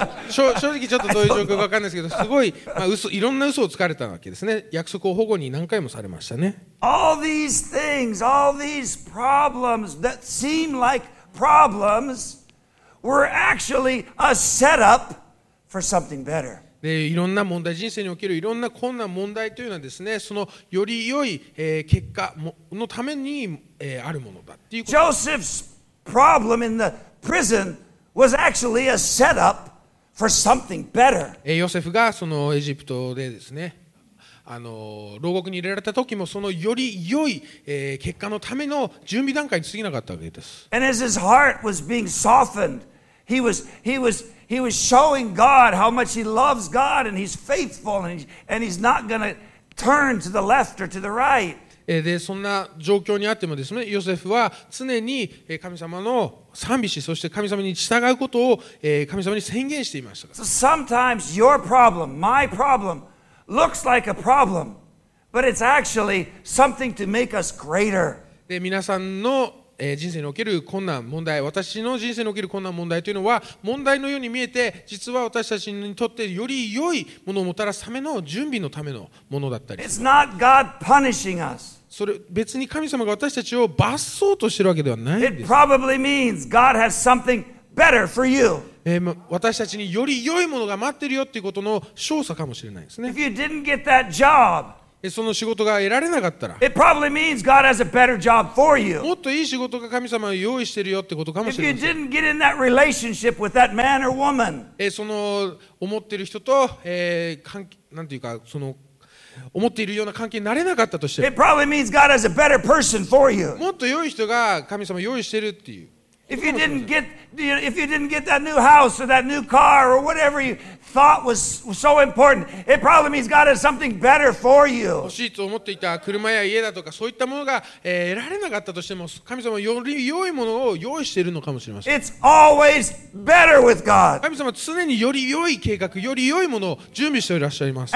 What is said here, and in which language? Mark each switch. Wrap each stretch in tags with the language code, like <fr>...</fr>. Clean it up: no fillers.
<ja>正直ちょっとどういう状況か分かんないですけど、すごい、まあ、嘘、いろんな嘘をつかれたわけですね。約束を保護に何回もされましたね。</ja> <en>All these things, all these problems that seem like problems were actually a setup for something better.</en> <ja>で、いろんな問題、人生におけるいろんな困難問題というのはですね、そのより良い、結果のために、あるものだっていうこと。</ja> <en>Joseph'sproblem in the prison was actually a setup for something better.</en> <ja>ヨセフがそのエジプトでですね、牢獄に入れられた時もそのより良い、結果のための準備段階に過ぎなかったわけです。</ja> <en>And as his heart was being softened, he was showing God how much he loves God and he's faithful and he's not going to turn to the left or to the right.</en> <ja>でそんな状況にあってもですね、ヨセフは常に神様の賛美し、そして神様に従うことを神様に宣言していましたから。</ja> <en>So sometimes your problem, my problem, looks like a problem, but it's actually something to make us greater.</en> <ja>で皆さんの人生における困難問題、私の人生における困難問題というのは問題のように見えて、実は私たちにとってより良いものをもたらすための準備のためのものだったり。</ja> <en>It's not God punishing us.</en> <ja>それ別に神様が私たちを罰そうとしているわけではないんです。</ja> <en>It probably means God has something better for you.</en> <ja>私たちにより良いものが待ってるよということの証左かもしれないですね。</ja> <en>If you didn't get that job.</en> <ja>その仕事が得られなかったら、</ja> <en>It probably means God has a better job for you.</en> <ja>もっといい仕事が神様が用意してるよってことかもしれません。</ja> <en>If you didn't get in that relationship with that man or woman,</en> <ja>その思ってる人と、関係、なんていうか、その思っているような関係になれなかったとして、</ja> <en>It probably means God has a better person for you.</en> <ja>もっと良い人が神様用意してるっていう。</ja> <en>If you didn't get that new house or that new car or whatever you thought was so important, it probably means God has something better for you.</en> <ja>欲しいと思っていた車や家だとかそういったものが得られなかったとしても、神様はより良いものを用意しているのかもしれません。</ja> <en>It's always better with God.</en> <ja>神様は常により良い計画、より良いものを準備していらっしゃいます。</ja>